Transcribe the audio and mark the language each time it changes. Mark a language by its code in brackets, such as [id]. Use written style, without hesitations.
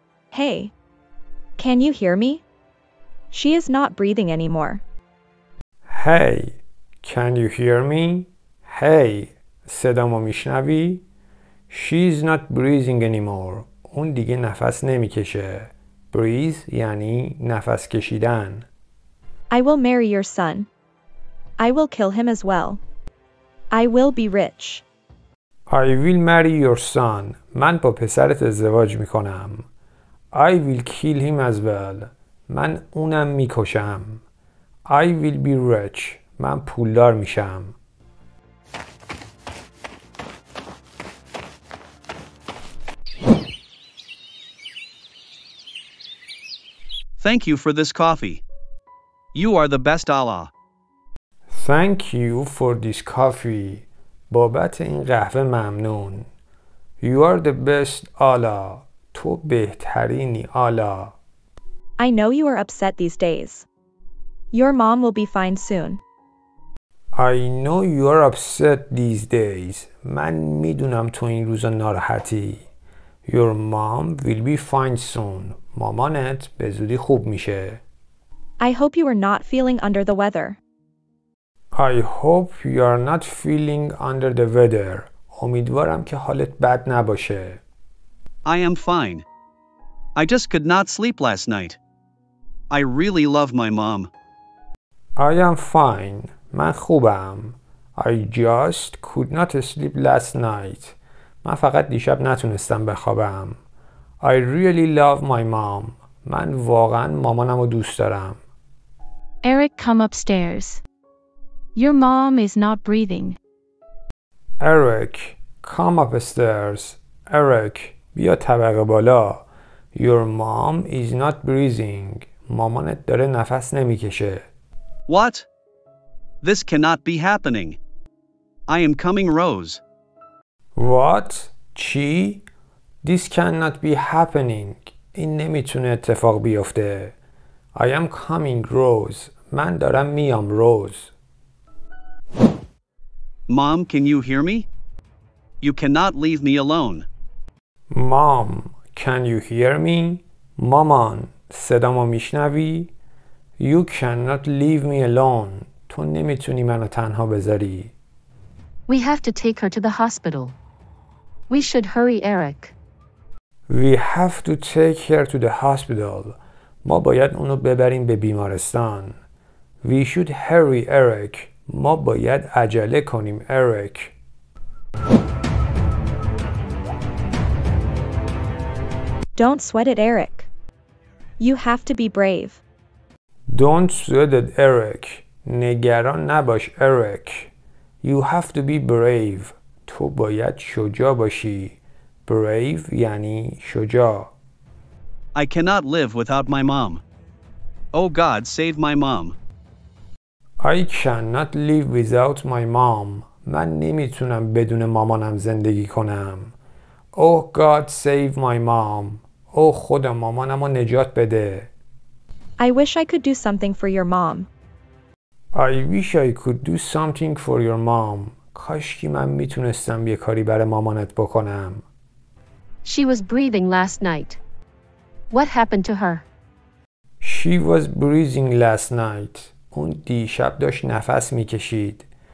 [en] Hey, can you hear me? She is not breathing anymore. Hey, can you hear me? Hey, [fa] صدامو میشنوی؟ [en] She's not breathing anymore. [fa] اون دیگه نفس نمیکشه. Breathe یعنی نفس کشیدن. [en] I will marry your son. I will kill him as well. I will be rich. I will marry your son. من با پسرت ازدواج میکنم. I will kill him as well. من اونم میکشم. I will be rich. من پولدار میشم. Thank you for this coffee. You are the best, Allah. Thank you for this coffee. [fa] بابت این قهوه ممنون. [en] You are the best, Allah. [fa] تو بهترینی, آلا. [en] I know you are upset these days. Your mom will be fine soon. I know you are upset these days. [fa] من میدونم تو این روزا ناراحتی. [en] Your mom will be fine soon. [fa] مامانت به زودی خوب میشه. [en] I hope you are not feeling under the weather. I hope you are not feeling under the weather. [fa] امیدوارم که حالت بد نباشه. [en] I am fine. I just could not sleep last night. I really love my mom. I am fine. [fa] من خوبم. [en] I just could not sleep last night. [fa] من فقط دیشب نتونستم بخوابم. [en] I really love my mom. [fa] من واقعا مامانم رو دوست دارم. [en] Eric, come upstairs. Your mom is not breathing. Eric, come upstairs. [fa] Eric, بیا طبقه بالا. [en] Your mom is not breathing. [fa] مامانت داره نفس نمی کشه. [en] What? This cannot be happening. I am coming, Rose. What? [fa] چی؟ [en] This cannot be happening. [fa] این نمیتونه اتفاق بیفته. [en] I am coming, Rose. [fa] من دارم میام, Rose. [en] Mom, can you hear me? You cannot leave me alone. Mom, can you hear me? [fa] مامان, صدامو میشنوی؟ [en] You cannot leave me alone. [fa] تو نمیتونی منو تنها بذاری. [en] We have to take her to the hospital. We should hurry, Eric. We have to take her to the hospital. [fa] ما باید اونو ببریم به بیمارستان. [en] We should hurry, Eric. [fa] ما باید عجله کنیم, Eric. [en] Don't sweat it, Eric. You have to be brave. Don't sweat it, Eric. [fa] نگران نباش, Eric. [en] You have to be brave. [fa] تو باید شجاع باشی. Brave یعنی شجاع. [en] I cannot live without my mom. Oh God, save my mom. I cannot live without my mom. [fa] من نمیتونم بدون مامانم زندگی کنم. [en] Oh God, save my mom. Oh [fa] خدا مامانم رو نجات بده. [en] I wish I could do something for your mom. I wish I could do something for your mom. [fa] کاشکی من میتونستم یه کاری برای مامانت بکنم. [en] She was breathing last night. What happened to her? She was breathing last night. [fa] اون دیشب داشت نفس میکشید.